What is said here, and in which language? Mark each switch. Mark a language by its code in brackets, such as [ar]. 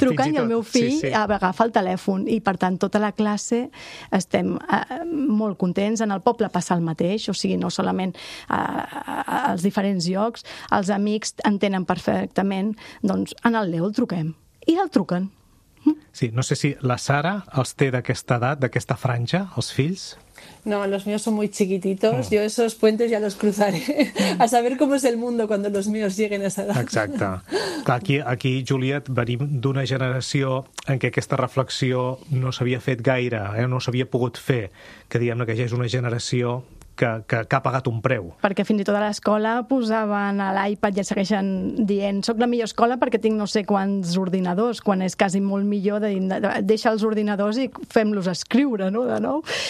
[ca] Truquen i el meu fill agafa el telèfon i, per tant, tota la classe estem molt contents. En el poble passa el mateix, o sigui, no solament als diferents llocs, els amics entenen perfectament, doncs en el Leo el truquem i el truquen. Sí, no sé si la Sara els té d'aquesta edat, d'aquesta franja, els fills. [es] No, los míos son muy chiquititos. Yo esos puentes ya los cruzaré. A saber cómo es el mundo cuando los míos lleguen a esa edad. [ca] Exacte. Clar, aquí, Juliet, venim d'una generació en què aquesta reflexió no s'havia fet gaire, no s'havia pogut fer, que diguem-ne que ja és una generació que ha pagat un preu. Perquè fins i tot a l'escola posaven a l'iPad i ja segueixen dient soc la millor escola perquè tinc no sé quants ordinadors, quan és quasi molt millor de deixar els ordinadors i fem-los escriure, no?, de nou.